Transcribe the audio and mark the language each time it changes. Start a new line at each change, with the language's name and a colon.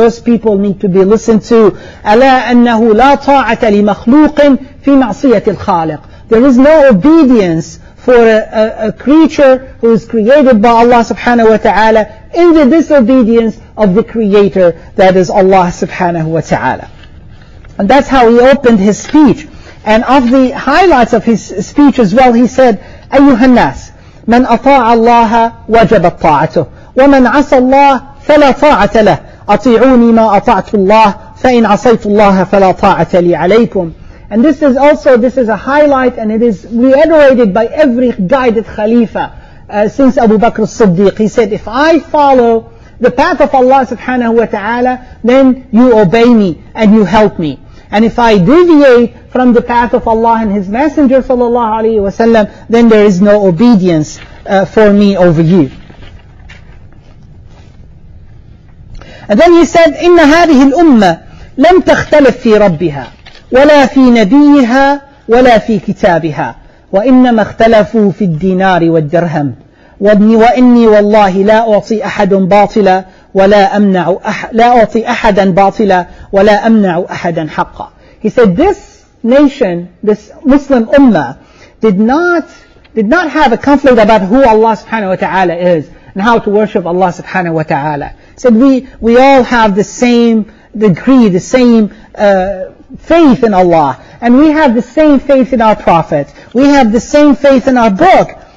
English: Those people need to be listened to.
Arabic: أَلَا أَنَّهُ لَا طَاعَةَ لِمَخْلُوقٍ فِي مَعْصِيَةِ الْخَالِقِ.
English: There is no obedience for a creature who is created by Allah subhanahu wa ta'ala in the disobedience of the creator, that is Allah subhanahu wa ta'ala. And that's how he opened his speech. And of the highlights of his speech as well, he said,
Arabic: أيها الناس من أطاع الله وجبت طاعته ومن عصى الله فلا طاعة له أطيعوني ما أطعت الله فإن عصيت الله فلا طاعة لي عليكم.
English: And this is a highlight, and it is reiterated by every guided Khalifa since Abu Bakr as-Siddiq. He said, if I follow the path of Allah subhanahu wa ta'ala, then you obey me and you help me. And if I deviate from the path of Allah and His Messenger sallallahu alayhi wa sallam, then there is no obedience for me over you. And then he said,
Arabic: إِنَّ هَذِهِ الْأُمَّةِ لَمْ تَخْتَلَفْ فِي رَبِّهَا وَلَا فِي نَبِيِّهَا وَلَا فِي كِتَابِهَا وَإِنَّمَا اخْتَلَفُوا فِي الدِّنَارِ وَالدِّرْهَمِ وإني والله لا أعطي أحد باطلا ولا أمنع لا أعطي أحدا باطلا ولا أمنع أحدا حقا.
English: He said, this nation, this Muslim ummah, did not have a conflict about who Allah subhanahu wa ta'ala is and how to worship Allah subhanahu wa ta'ala. He said, we all have the same degree, the same faith in Allah, and we have the same faith in our Prophet, we have the same faith in our book.